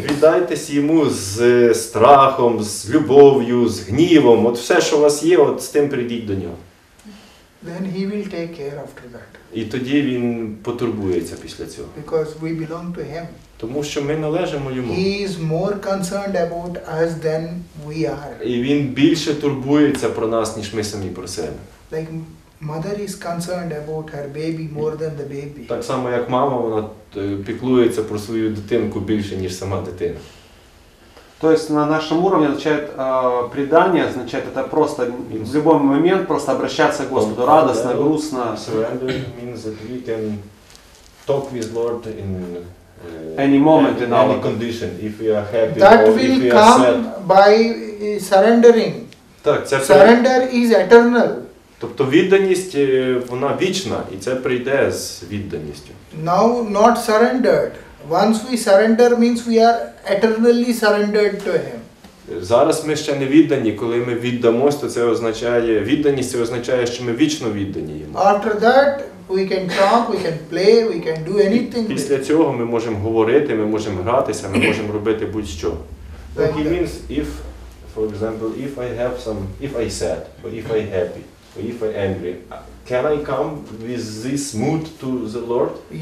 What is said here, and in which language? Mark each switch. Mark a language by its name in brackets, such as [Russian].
[Ukrainian] Віддайтесь Йому з страхом, з любов'ю, з гнівом. От все, що у вас є, от з тим прийдіть до Нього. [English] Then He will take care after that. [Ukrainian] І тоді Він потурбується після цього. [English] Because we belong to Him. [Ukrainian] Тому що ми належимо Йому. [English] He is more concerned about us than we are. [Ukrainian] І Він більше турбується про нас, ніж ми самі про себе. [English] Like mother is concerned about her baby more than the baby. [Ukrainian] Так само, як мама, вона піклується про свою дитинку більше, ніж сама дитина. Тобто на нашому рівні предання, значить, це просто в будь-який момент просто обращатися до Господу радісно, грустно. [English] Surrender means that we can talk with Lord in any moment, in any condition, if we are happy or if we are sad. That will come by surrendering. [Ukrainian] Так, це [English] surrender is eternal. [Ukrainian] Тобто відданість, вона вічна, і це прийде з відданістю. [English] Now not surrendered. Once we surrender means we are eternally surrendered to Him. [Ukrainian] Зараз ми ще не віддані, коли ми віддамось, то це означає, відданість це означає, що ми вічно віддані Йому. [English] After that we can talk, we can play, we can do anything. [Ukrainian] Після цього ми можемо говорити, ми можемо гратися, ми можемо робити будь-що. Так і [English] means if, for example, if I have some, if I sad, or if I happy, or if I angry, can I come with this mood to the Lord?